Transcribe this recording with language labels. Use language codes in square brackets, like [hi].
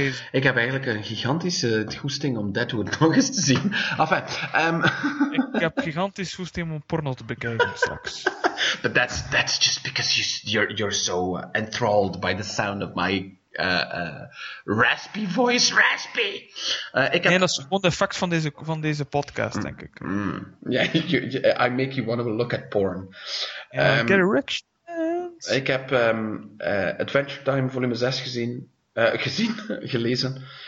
[nl] Ik heb eigenlijk een gigantische goesting om Deadwood nog eens te zien. Enfin, ik heb gigantisch goesting om porno te bekijken straks. [en] But that's just because you're so enthralled by the sound of my raspy voice, raspy! [nl] Dat is gewoon de effect van deze podcast, denk ik. [en] I make you want to look at porn. Get erection. [nl] Ik heb Adventure Time volume 6 gezien. Gezien, gelezen.